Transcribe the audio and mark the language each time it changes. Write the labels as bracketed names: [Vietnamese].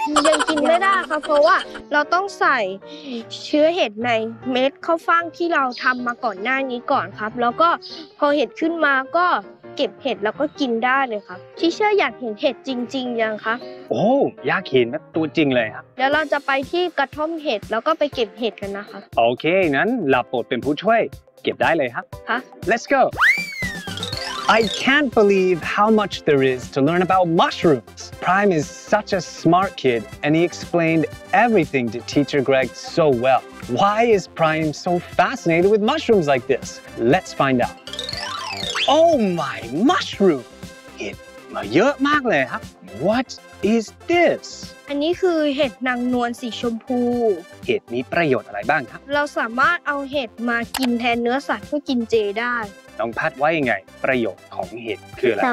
[Thai] ยังกินไม่ได้ครับเพราะว่าเราต้องใส่เชื้อเห็ดในเม็ดข้าวฟ่างที่เราทํามาก่อนหน้านี้ก่อนครับแล้วก็พอเห็ดขึ้นมาก็เก็บเห็ดแล้วก็กินได้เลยครับทีเชื่ออยากเห็นเห็ดจริงๆยังครับ โอ้อยากเห็นแบบตัวจริงเลยครับ เดี๋ยวเราจะไปที่กระท่อมเห็ดแล้วก็ไปเก็บเห็ดกันนะคะ โอเคงั้นลาโปรดเป็นผู้ช่วยเก็บได้เลยครับ ค่ะ [English] Let's go I can't believe how much there is to learn about mushrooms. Prime is such a smart kid and he explained everything to teacher Greg so well. Why is Prime so fascinated with mushrooms like this? Let's find out. Oh my mushroom! [Thai] It มาเยอะมากเลยครับ [English] What is this? [Thai] อันนี้คือเห็ดนางนวลสีชมพู เห็ดมีประโยชน์อะไรบ้างครับ เราสามารถเอาเห็ดมากินแทนเนื้อสัตว์ที่กินเจได้น้องพัดว่ายังไงประโยชน์ของเห็ดคืออะไรครับ